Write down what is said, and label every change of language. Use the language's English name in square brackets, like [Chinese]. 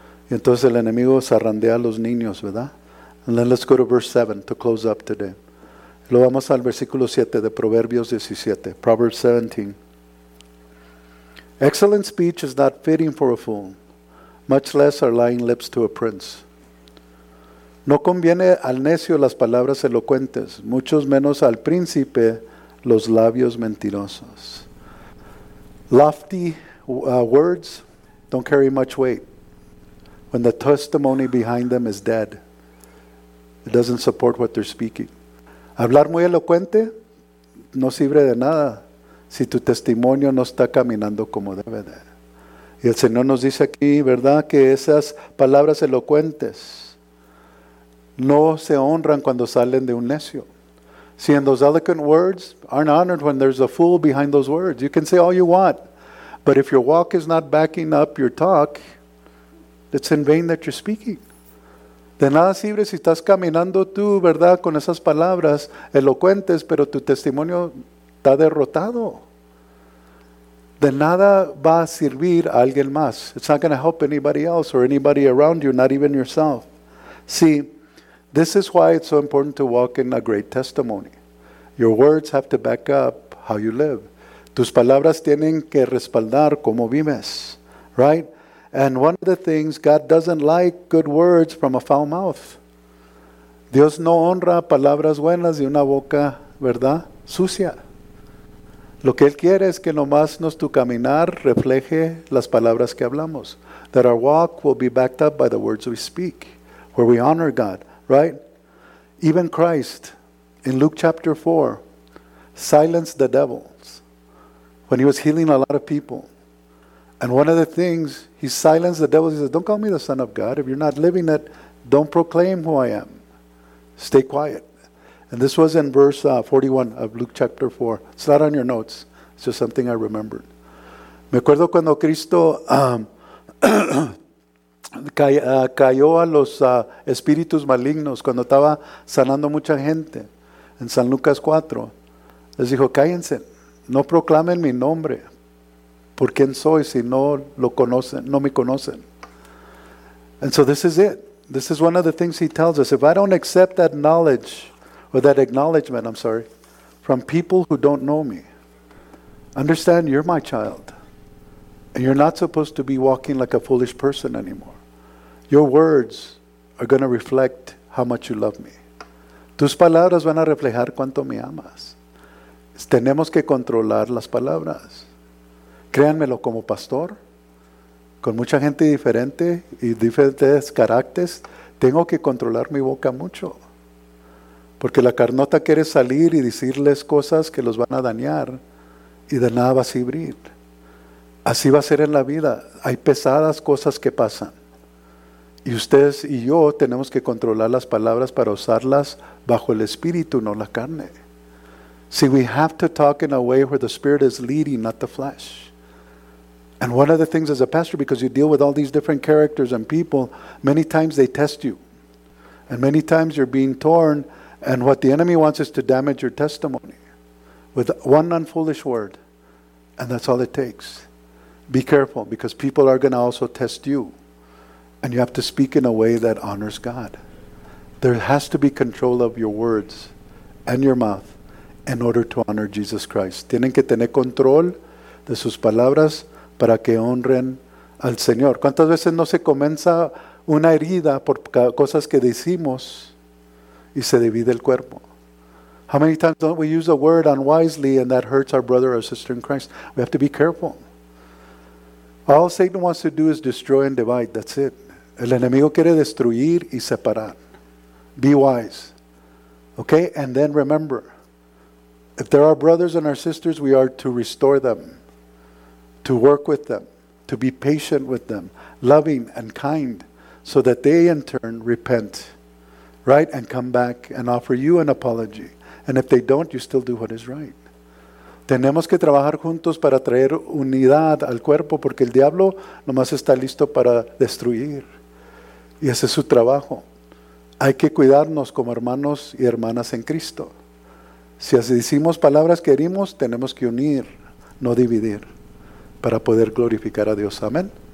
[Spanish] Y entonces el enemigo zarandea a los niños, verdad. [English] And then let's go to verse 7 to close up today. [Spanish] Lo vamos al versículo 7 de Proverbios 17. Proverbs 17. [English] Excellent speech is not fitting for a fool, much less are lying lips to a prince. [Spanish] No conviene al necio las palabras elocuentes, mucho menos al príncipe los labios mentirosos. [English] Lofty words don't carry much weight when the testimony behind them is dead. It doesn't support what they're speaking. [Spanish] Hablar muy elocuente no sirve de nada si tu testimonio no está caminando como debe de. Y el Señor nos dice aquí, ¿verdad?, que esas palabras elocuentes no se honran cuando salen de un necio. [English] See, and those eloquent words aren't honored when there's a fool behind those words. You can say all you want, but if your walk is not backing up your talk, it's in vain that you're speaking. [Spanish] De nada sirve si estás caminando tú, ¿verdad?, con esas palabras elocuentes, pero tu testimonio está derrotado. De nada va a servir a alguien más. [English] It's not going to help anybody else or anybody around you, not even yourself. See, this is why it's so important to walk in a great testimony. Your words have to back up how you live. [Spanish] Tus palabras tienen que respaldar cómo vives, right? [English] And one of the things, God doesn't like good words from a foul mouth. [Spanish] Dios no honra palabras buenas de una boca, ¿verdad?, sucia. Lo que Él quiere es que nomás nuestro caminar refleje las palabras que hablamos. [English] That our walk will be backed up by the words we speak, where we honor God, right? Even Christ, in Luke chapter 4, silenced the devils when he was healing a lot of people. And one of the things, he silenced the devil. He says, don't call me the Son of God. If you're not living it, don't proclaim who I am. Stay quiet. And this was in verse 41 of Luke chapter 4. It's not on your notes. It's just something I remembered. [Spanish] Me acuerdo cuando Cristo cayó a los espíritus malignos, cuando estaba sanando mucha gente. En San Lucas 4, les dijo, cállense, no proclamen mi nombre. ¿Por quién soy si no lo conocen, no me conocen? [English] And so this is it. This is one of the things he tells us. If I don't accept that knowledge, or that acknowledgement, I'm sorry, from people who don't know me, understand you're my child. And you're not supposed to be walking like a foolish person anymore. Your words are going to reflect how much you love me. [Spanish] Tus palabras van a reflejar cuánto me amas. Tenemos que controlar las palabras. Créanmelo, como pastor, con mucha gente diferente y diferentes caracteres, tengo que controlar mi boca mucho. Porque la carnota quiere salir y decirles cosas que los van a dañar y de nada va a servir. Así va a ser en la vida. Hay pesadas cosas que pasan. Y ustedes y yo tenemos que controlar las palabras para usarlas bajo el espíritu, no la carne. [English] See, we have to talk in a way where the spirit is leading, not the flesh. And one of the things as a pastor, because you deal with all these different characters and people, many times they test you. And many times you're being torn, and what the enemy wants is to damage your testimony with one unfoolish word. And that's all it takes. Be careful, because people are going to also test you. And you have to speak in a way that honors God. There has to be control of your words and your mouth in order to honor Jesus Christ. [Spanish] Tienen que tener control de sus palabras para que honren al Señor. ¿Cuántas veces no se comienza una herida por cosas que decimos y se divide el cuerpo? [English] How many times don't we use a word unwisely and that hurts our brother or sister in Christ? We have to be careful. All Satan wants to do is destroy and divide. That's it. [Spanish] El enemigo quiere destruir y separar. [English] Be wise. Okay? And then remember, if there are brothers and our sisters, we are to restore them, to work with them, to be patient with them, loving and kind, so that they in turn repent, right? And come back and offer you an apology. And if they don't, you still do what is right. [Spanish] Tenemos que trabajar juntos para traer unidad al cuerpo, porque el diablo nomás está listo para destruir. Y ese es su trabajo. Hay que cuidarnos como hermanos y hermanas en Cristo. Si así decimos palabras que herimos, tenemos que unir, no dividir, para poder glorificar a Dios. Amén.